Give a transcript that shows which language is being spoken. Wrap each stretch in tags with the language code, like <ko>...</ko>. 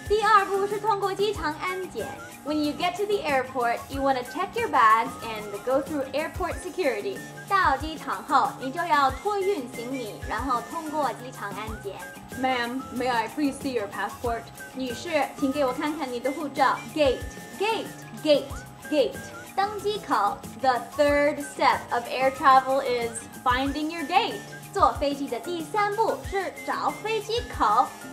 <zh>第二步是通过机场安检。</zh> <en>When you get to the airport, you want to check your bags and go through airport security.</en> <zh>到机场后，你就要托运行李，然后通过机场安检。</zh> <en>Ma'am, may I please see your passport?</en> <zh>女士，请给我看看你的护照。</zh> <en>Gate.</en> <zh>登机口。</zh> <en>The third step of air travel is finding your gate.</en> <zh>坐飞机的第三步是找飞机口。</zh>